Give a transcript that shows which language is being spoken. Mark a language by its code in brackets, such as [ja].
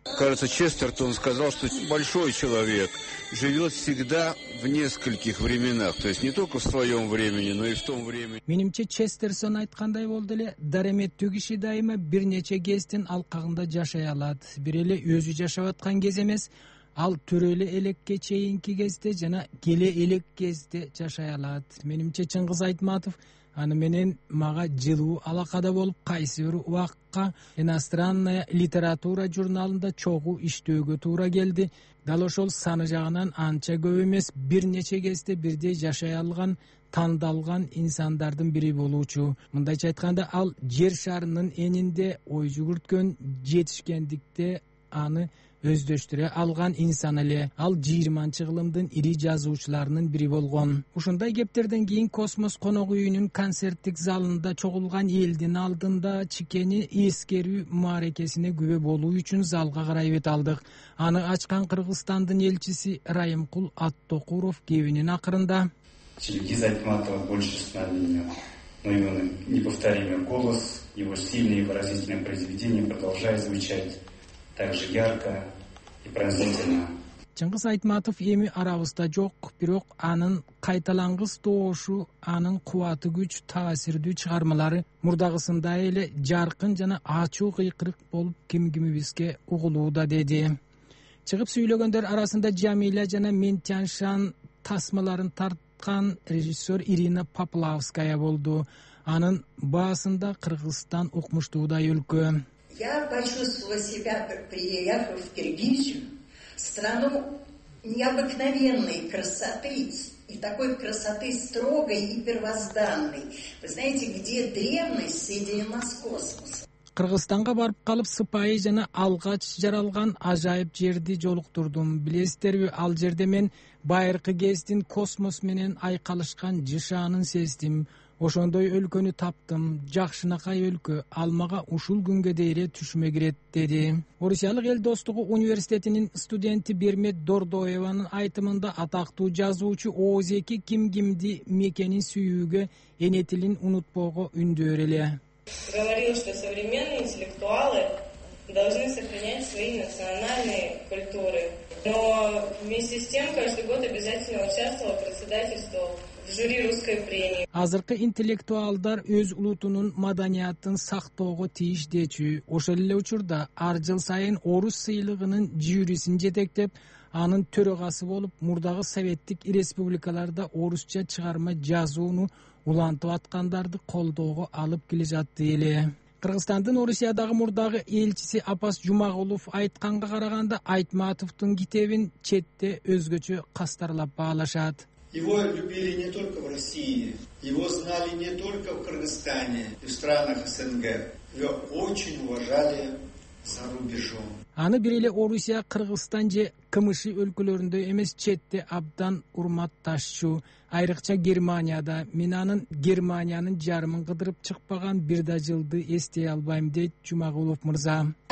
[ru] Кажется, Честертон сказал, что большой человек живет всегда в нескольких временах. То есть не только в своем времени, но и в том времени. [ky] Менимче Честерсон айткандай болду эле, дареметтүү киши дайыма бир нече кездин алкагында жашай алат. Бир эле өзү жашап аткан кез эмес, ал төрөлө электе чейинки кезде жана келе элек кезде жашай алат. Менимче Чыңгыз Айтматов аны менен мага жылуу алакада болуп, кайсы бир убакка Иностранная литература журналында чогуу иштөөгө туура келди. Дал ошол саны жагынан анча көп эмес, бир нече кезде бирдей жашай алган тандалган инсандардын бири болуучу. Мындайча айтканда, ал жер шарынын энинде ой жүгүрткөн, жетишкендикте аны өздөштүрө алган инсан эле. Ал 20-нчы кылымдын ири жазуучуларынын бири болгон. Ушундай кептерден кийин Космос Конок Үйүнүн концерттик залында чогулган элдин алдында чикени эскерүү маарекесине күбө болуу үчүн залга карай бет алдык. Аны ачкан Кыргызстандын элчиси Райымкул Аттокуров кебинин акырында: [ru] Чингиз Айтматова больше вспоминаю, но его неповторимый голос, его сильное и выразительное произведение продолжает звучать так же ярко и пронзительно. [ky] Чыңгыз Айтматов эми арабызда жок, бирок анын кайталангыс доошу, анын кубаты күч таасирдүү чыгармалары мурдагысындай эле жаркын жана ачуу кыйкырык болуп кимгимибизге угулууда, деди. Чыгып сүйлөгөндөр арасында Жамиля жана Ментяншан тасмаларын тартып кан режиссер Ирина Поплавская болду. Анын баасында Кыргызстан укмуштуудай өлкө. [ru] Я почувствовала себя, приехав в Киргизию, страну необыкновенной красоты и такой красоты строгой и первозданной. Вы знаете, где древность соединена с космосом? [ky] Кыргызстанга барып калып, сыпайы жана алгач жаралган ажайып жерди жолуктурдум. Билесиздерби, ал жерде мен байыркы кездин космос менен айкалышкан жышаанын сездим. Ошондой өлкөнү таптым. Жакшынакай өлкө, ал мага ушул күнгө дейре түшүмө кирет, деди. Орусиялык Эл Достугу университетинин студенти Бермет Дордоеванын айтымында атактуу жазуучу Оозеки кимгимди мекенин сүйүүгө, эне тилин унутпоого үндөөр эле. [ru] Говорил, что современные интеллектуалы должны сохранять свои национальные культуры. Но вместе с тем каждый год обязательно участвовал в председательстве в жюри русской премии. [ky] Азыркы интеллектуалдар өз улутунун маданиятын сактоого тийиш дечү. Ошол эле учурда ар жыл сайын орус сыйлыгынын жюрисин жетектеп, анын төрагасы болуп, мурдагы советтик республикаларда орусча чыгарма жазууну улантып аткандарды колдоого алып келе жатты эле. Кыргызстандын Орусиядагы мурдагы элчиси Апас Жумагулов айтканга караганда, Айтматовдун китебин четте өзгөчө кастарлап баалашат. [ru] Его любили не только в России, его знали не только в Кыргызстане и в странах СНГ, его очень уважали за рубежом. [ky] Аны бир эле Орусия, Кыргызстан же КМШ өлкөлөрүндө эмес, четте абдан урматташчу. Айрыкча Германияда мен анын Германиянын жарымын кыдырып чыкпаган бир да жылды эстей албайм, дейт Жумагулов мырза.